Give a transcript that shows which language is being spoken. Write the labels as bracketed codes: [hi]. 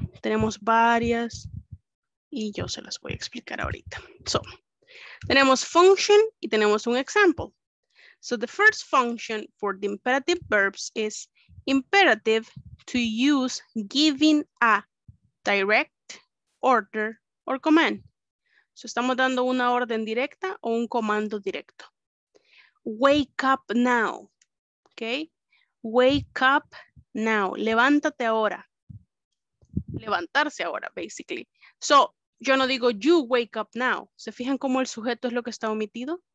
[es] Tenemos varias y yo se las voy a explicar ahorita. So, tenemos function y tenemos un example. [en] So, the first function for the imperative verbs is imperative to use giving a direct order or command. [es] So estamos dando una orden directa o un comando directo. [en] Wake up now. Ok. Wake up now. [es] Levántate ahora. Levantarse ahora, basically. So, yo no digo [en] you wake up now. [es] ¿Se fijan cómo el sujeto es lo que está omitido?